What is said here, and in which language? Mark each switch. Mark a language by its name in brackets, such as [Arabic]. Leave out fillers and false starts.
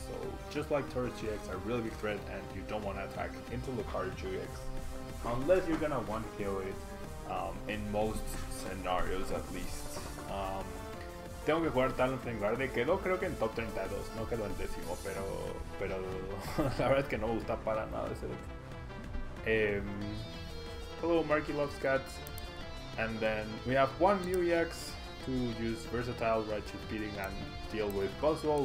[English] So just like Taurus GX, a really big threat, and you don't want to attack into Lucario GX unless you're gonna one kill it, in most scenarios at least. [Spanish] Tengo que jugar Talonflame Guardi. Quedó creo que en top 32, no quedó en décimo, pero la verdad es que no me gusta para nada ese deck. [English] Hello, Marky Loves Cats. And then we have one Mew EX to use Versatile, Righteous Beating and deal with Buzz Roll.